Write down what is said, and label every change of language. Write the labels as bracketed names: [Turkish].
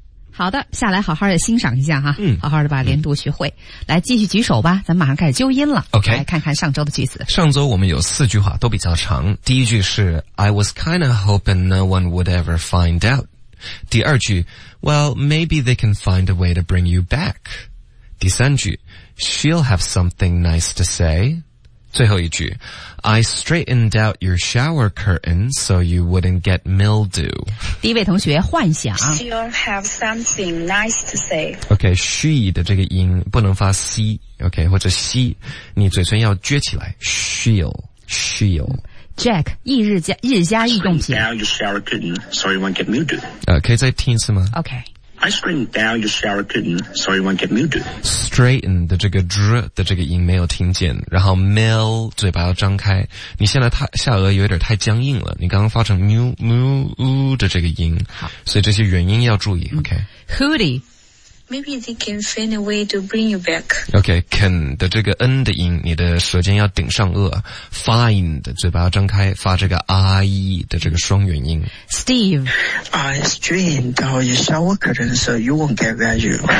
[Chinese] 好的，下来好好的欣赏一下哈，好好的把连读学会。来，继续举手吧，咱马上开始纠音了。 [English] OK， [Chinese] 来看看上周的句子。上周我们有四句话都比较长。第一句是 [English] I was kind of hoping no one would ever find out。 [Chinese] 第二句 [English] Well, maybe they can find a way to bring you back。 [Chinese] 第三句 [English] She'll have something nice to say。 [Chinese] 最后一句 [English] I straightened out your shower curtain so you wouldn't get mildew. [Chinese] 第一位同学幻想 [English] She'll have something nice to say. [Chinese] OK, she 的这个音不能发 C, OK, 或者 she, 你嘴唇要撅起来 She'll Jack, 一日加一动品 [English] Straightened out your shower curtain so you won't get mildew. [Chinese] 可以再听一次吗 [English] OK I straightened down your shower curtain so you won't get mildew. [Chinese] Straighten 的这个 dr 的这个音没有听见，然后 mil 嘴巴要张开。你现在下颚有点太僵硬了，你刚刚发成 mu mu u 的这个音，所以这些元音要注意。 [English] OK. Hoodie, maybe they can find a way to bring you back. [Chinese] OK, can 的这个 n 的音，你的舌尖要顶上颚。 Find 嘴巴要张开，发这个 i 的这个双元音。 [English] Steve. I strained all your shower curtain so you won't get value.